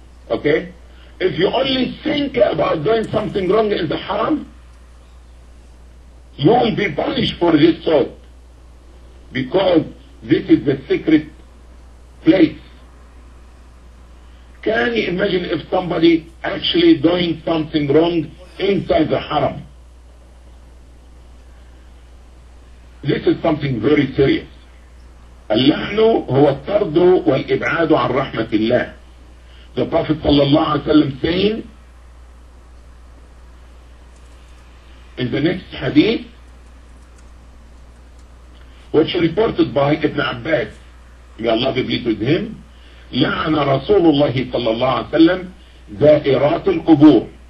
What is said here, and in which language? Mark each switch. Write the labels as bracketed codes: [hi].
[en] Okay? If you only think about doing something wrong in the haram, you will be punished for this thought, because this is the secret place. Can you imagine if somebody actually doing something wrong inside the haram? This is something very serious. [ar] اللحن هو الطرد والإبعاد عن رحمة الله. [en] The Prophet صلى الله عليه وسلم saying in the next hadith, which reported by Ibn Abbas, may Allah be pleased with him, [ar] لعن رسول الله صلى الله عليه وسلم زائرات القبور.